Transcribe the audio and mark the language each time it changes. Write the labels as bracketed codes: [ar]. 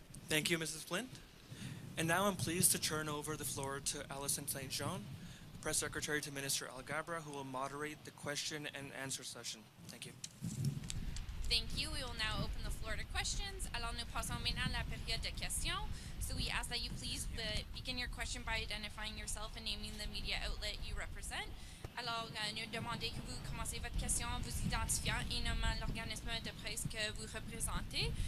[en] Thank you, Mrs. Flint. And now I'm pleased to turn over the floor to Alison St. John, Press Secretary to Minister Alghabra, who will moderate the question and answer session. Thank you. Thank you. We will now open the floor to questions. [fr] Alors nous passons maintenant la période de questions. [en] So we ask that you please begin your question by identifying yourself and naming the media outlet you represent. [fr] Alors, nous demandons que vous commencez votre question en vous identifiant et nommant l'organisme de presse que vous représentez.